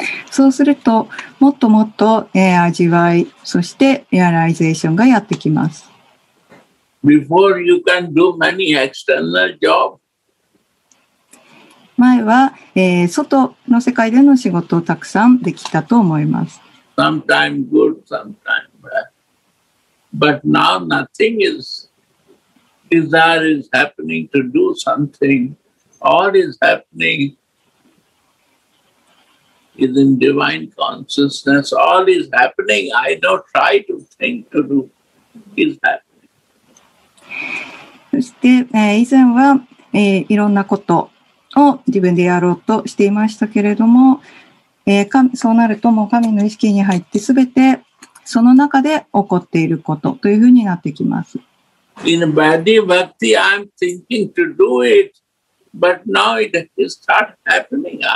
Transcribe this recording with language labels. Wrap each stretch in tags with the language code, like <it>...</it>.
<ja>そうするともっともっと、味わい、そしてリアライゼーションがやってきます。</ja> <en>Before you can do many external job.</en> <ja>前は、外の世界での仕事をたくさんできたと思います。</ja> <en>Sometimes good, sometimes bad. But now nothing is desire is happening to do something. All is happeningis in divine consciousness. All is happening. I don't try to think to do. It's happening.</en> <ja>そして、以前は、いろんなことを自分でやろうとしていましたけれども、そうなるともう神の意識に入って全てその中で起こっていることというふうになってきます。</ja> <en>In Vaidhi Bhakti, I'm thinking to do it, but now it has started happening.</en>